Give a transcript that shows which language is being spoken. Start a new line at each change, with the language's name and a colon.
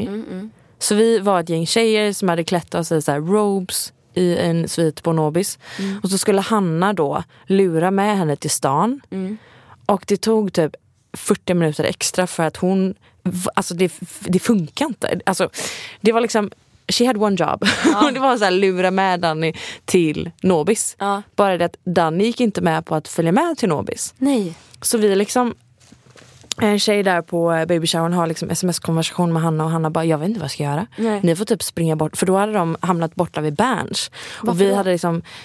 Swedish: Mm, mm, mm. Så vi var ett gäng tjejer som hade klätt oss i så här robes i en svit på Nobis. Mm. Och så skulle Hanna då lura med henne till stan. Mm. Och det tog typ 40 minuter extra för att hon, alltså det funkar inte. Alltså det var liksom,
English: she had one job.
Swedish: Ja. Det var så här, lura med Danny till Nobis. Ja. Bara det att Danny gick inte med på att följa med till Nobis. Nej. Så vi liksom, en tjej där på baby showern har liksom sms-konversation med Hanna. Och Hanna bara, jag vet inte vad jag ska göra. Nej. Ni får typ springa bort. För då hade de hamnat borta vid Berns. Och vi hade liksom...